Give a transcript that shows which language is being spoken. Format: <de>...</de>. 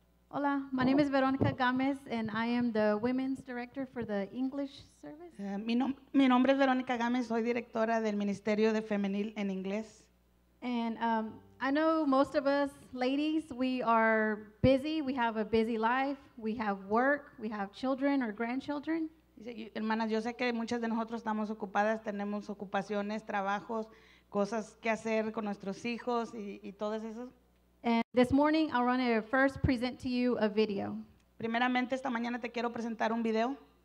<en>Hola, my name is Veronica Gámez and I am the Women's Director for the English Service.</en> <es>Mi nombre es Veronica Gámez, soy directora del Ministerio de Femenil en Inglés.</es> <en>And I know most of us ladies, we are busy. We have a busy life. We have work. We have children or grandchildren.</en> <es>Hermanas, yo sé que muchas de nosotros estamos ocupadas, tenemos ocupaciones, trabajos, cosas que hacer con nuestros hijos y todas esas.</es> <en>And this morning, I want to first present to you a video.</en> <es>Primeramente, esta mañana te quiero presentar un video.</es>